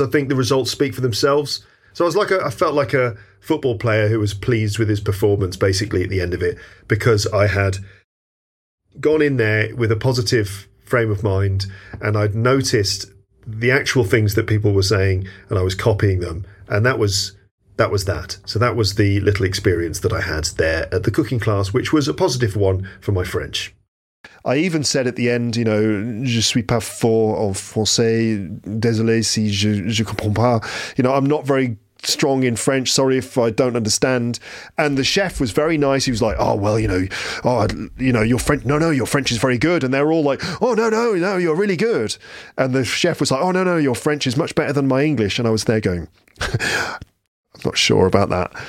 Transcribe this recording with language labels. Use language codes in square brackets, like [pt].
[en] I think the results speak for themselves. So I was like, I felt like a football player who was pleased with his performance, basically, at the end of it, because I had gone in there with a positive frame of mind and I'd noticed the actual things that people were saying and I was copying them. And that was that. So that was the little experience that I had there at the cooking class, which was a positive one for my French. [fr] I even said at the end, you know, je suis pas fort en français, désolé si je comprends pas. [en] You know, I'm not very strong in French, sorry if I don't understand. And the chef was very nice. He was like, oh, well, you know, oh, you know, your French, no, your French is very good. And they're all like, oh, no, you're really good. And the chef was like, oh, no, your French is much better than my English. And I was there going, I'm not sure about that.